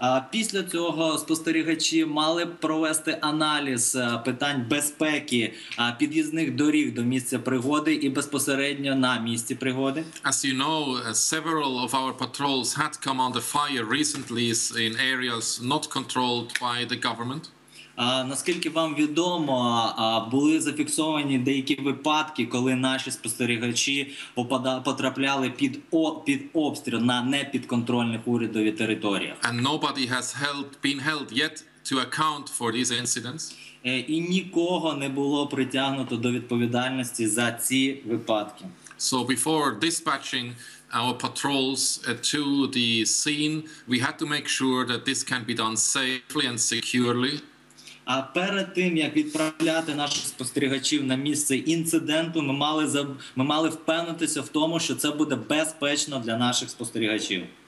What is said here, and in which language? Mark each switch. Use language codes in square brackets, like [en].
[uk] Після цього спостерігачі мали провести аналіз питань безпеки під'їзних доріг до місця пригоди і безпосередньо на місці пригоди. [en] As you know, several of our patrols had come under fire recently in areas not controlled by the government. [uk] Наскільки вам відомо, були зафіксовані деякі випадки, коли наші спостерігачі потрапляли під обстріл на непідконтрольних урядові територіях. [en] And nobody has been held yet to account for these incidents. [uk] І нікого не було притягнуто до відповідальності за ці випадки. [en] So before dispatching our patrols to the scene, we had to make sure that this can be done safely and securely. [uk] А перед тим, як відправляти наших спостерігачів на місце інциденту, ми мали впевнитися в тому, що це буде безпечно для наших спостерігачів.